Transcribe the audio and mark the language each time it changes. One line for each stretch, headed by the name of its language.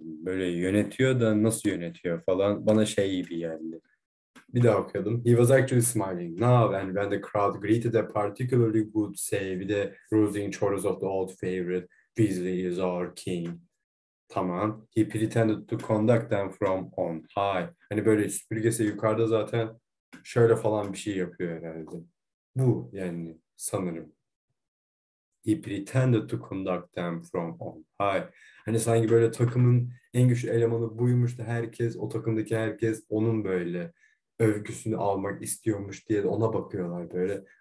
Turkish: Böyle yönetiyor da nasıl yönetiyor falan, bana şey gibi geldi. Bir daha okuyalım.
English: He was actually smiling now, and when the crowd greeted a particularly good save with the rousing chorus of the old favorite, "Weasley is our king."
Turkish: Tamam.
English: He pretended to conduct them from on high.
Turkish: Hani böyle süpürgesi yukarıda zaten şöyle falan bir şey yapıyor herhalde. Bu yani sanırım.
English: He pretended to conduct them from on high.
Turkish: Hani sanki böyle takımın en güçlü elemanı buymuş da herkes, o takımdaki herkes onun böyle övgüsünü almak istiyormuş diye de ona bakıyorlar böyle.